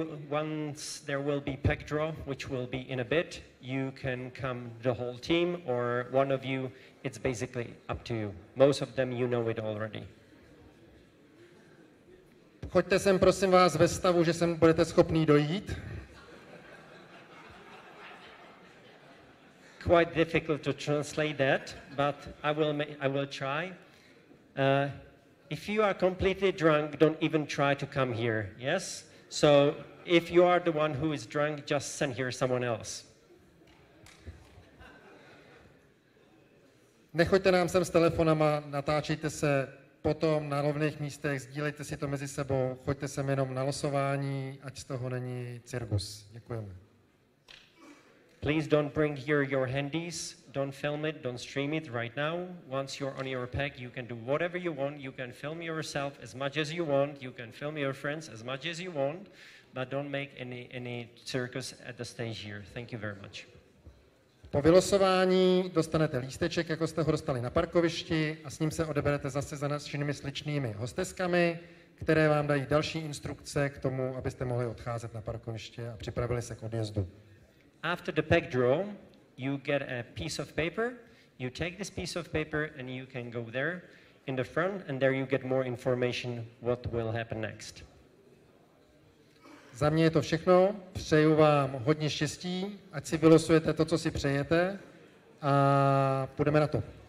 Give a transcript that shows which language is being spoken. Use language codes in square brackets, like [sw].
[en] Once there will be pack draw, which will be in a bit, you can come the whole team or one of you, it's basically up to you. Most of them you know it already. [cs] Choďte sem prosím vás ve stavu, že sem budete schopný dojít. [en] Quite difficult to translate that, but I will try. If you are completely drunk, don't even try to come here, yes? So if you are the one who is drunk, just send here someone else. [cs] Nechoďte nám sem s telefonama, natáčejte se potom na rovných místech, sdílejte si to mezi sebou, choďte sem jenom na losování, ať z toho není cirkus. Děkujeme. [en] Please don't bring here your handies, don't film it, don't stream it right now. Once you're on your pack, you can do whatever you want. You can film yourself as much as you want. You can film your friends as much as you want. But don't make any circus at the stage here. Thank you very much. [cs] Po vylosování dostanete lísteček, jako jste ho dostali na parkovišti, a s ním se odeberete zase za našimi sličnými hosteskami, které vám dají další instrukce k tomu, abyste mohli odcházet na parkoviště a připravili se k odjezdu. [en] After the pack draw, you get a piece of paper. You take this piece of paper and you can go there in the front and there you get more information what will happen next. [cs] Za mě je to všechno. Přeju vám hodně štěstí, ať si vylosujete to, co si přejete, a půjdeme na to.